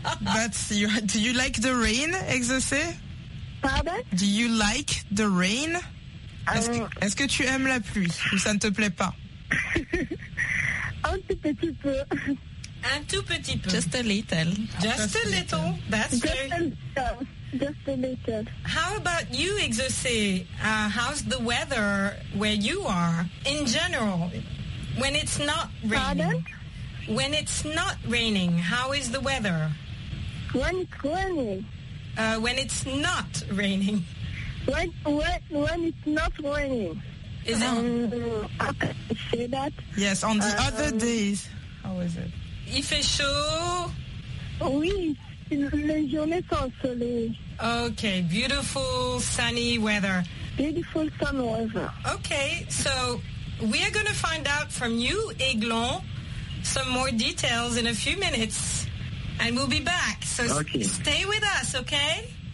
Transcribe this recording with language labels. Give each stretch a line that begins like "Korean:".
English: But do you like the rain, Exaucé?
French: Pardon?
English: Do you like the rain?
French: Est-ce que tu aimes la pluie ou ça ne te plaît pas? Un tout petit peu. Un tout petit peu.
English: Just a little. Just a little. That's true. Just a little. How about you, Exaucé? How's the weather where you are in general when it's not raining?
French: Pardon?
English: When it's not raining, how is the weather? When it's raining. When it's not raining. When it's not raining. Is it? How can I say that? Yes, on the other days. How is it?
French: Il fait chaud. Oui, les journées sont soleil.
English: Okay, beautiful sunny weather. Beautiful sun weather. Okay, so we are going to find out from you, Eglon. some more details in a few minutes, and we'll be back. So stay with us, okay?